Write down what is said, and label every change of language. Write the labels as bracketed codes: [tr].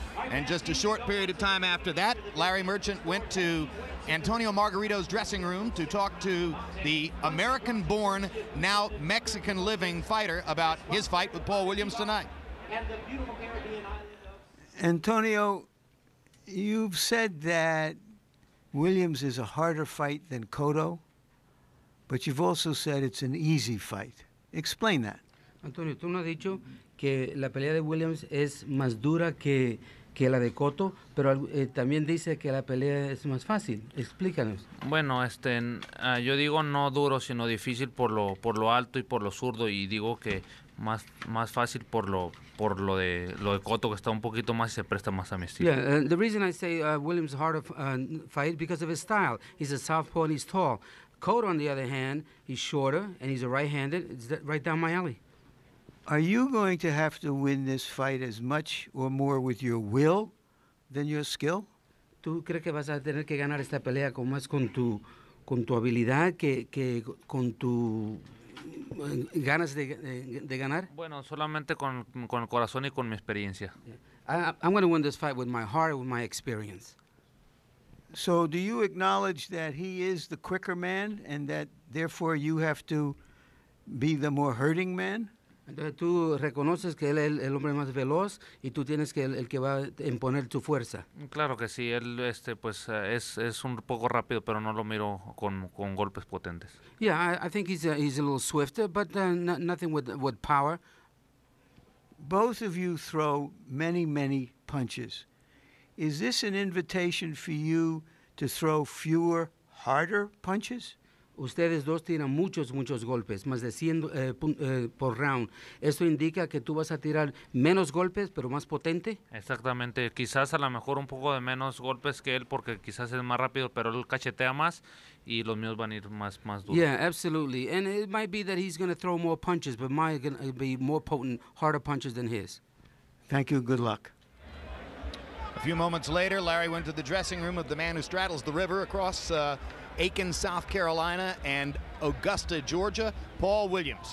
[en] And just a short period of time after that, Larry Merchant went to Antonio Margarito's dressing room to talk to the American-born, now Mexican-living fighter about his fight with Paul Williams tonight. Antonio, you've said that Williams is a harder fight than Cotto, but you've also said it's an easy fight. Explain that. [es] Antonio, tú no has dicho que la pelea de Williams es más dura que la de Cotto, pero también dice que la pelea es más fácil. Explícanos. Bueno, yo digo no duro, sino difícil por lo alto y por lo zurdo, y digo que más fácil por lo de Cotto, que está un poquito más y se presta más a mi estilo. [en] Yeah, the reason I say Williams is harder fight because of his style. He's a southpaw and he's tall. Cotto, on the other hand, he's shorter and he's a right-handed. It's right down my alley. Are you going to have to win this fight as much or more with your will than your skill? [es] ¿Tú crees que vas a tener que ganar esta pelea con más con tu habilidad que con tu ganas de ganar? Bueno, solamente con el corazón y con mi experiencia. [en] I'm going to win this fight with my heart, with my experience. So do you acknowledge that he is the quicker man and that therefore you have to be the more hurting man? [es] Entonces tú reconoces que él es el hombre más veloz y tú tienes que el que va a imponer tu fuerza. Claro que sí, él es un poco rápido, pero no lo miro con golpes potentes. [en] Yeah, I think he's a little swifter, but nothing with power. Both of you throw many, many punches. is this an invitation for you to throw fewer, harder punches? [es] Ustedes dos tienen muchos, muchos golpes, más de 100 por round. ¿Esto indica que tú vas a tirar menos golpes, pero más potente? Exactamente. Quizás a lo mejor un poco de menos golpes que él, porque quizás es más rápido, pero él cachetea más y los míos van a ir más, más duros. [en] Yeah, absolutely. And it might be that he's going to throw more punches, but mine are going to be more potent, harder punches than his. Thank you. Good luck. A few moments later, Larry went to the dressing room of the man who straddles the river across Aiken, South Carolina, and Augusta, Georgia, Paul Williams.